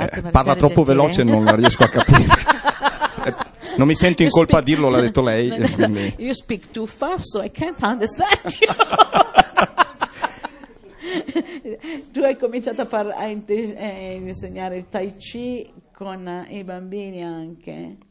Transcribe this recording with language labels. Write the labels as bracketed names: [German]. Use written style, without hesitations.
[Italian] parla troppo veloce e non la riesco a capire. Non mi sento in colpa a dirlo, l'ha detto lei. [English] You speak too fast, so I can't understand you. [Italian] Tu hai cominciato a insegnare il Tai Chi con i bambini anche?